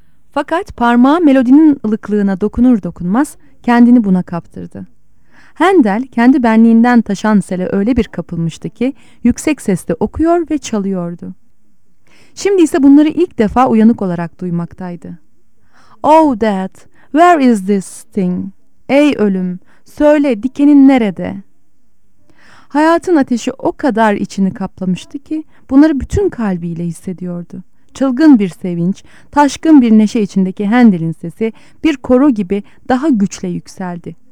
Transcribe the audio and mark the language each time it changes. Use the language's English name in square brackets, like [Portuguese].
[Turkish] Fakat parmağı melodinin ılıklığına dokunur dokunmaz kendini buna kaptırdı. Handel kendi benliğinden taşan sele öyle bir kapılmıştı ki yüksek sesle okuyor ve çalıyordu. Şimdi ise bunları ilk defa uyanık olarak duymaktaydı. [English] "Oh death, where is this thing? [Turkish] Ey ölüm, söyle dikenin nerede?" Hayatın ateşi o kadar içini kaplamıştı ki bunları bütün kalbiyle hissediyordu. Çılgın bir sevinç, taşkın bir neşe içindeki Handel'in sesi bir koro gibi daha güçle yükseldi.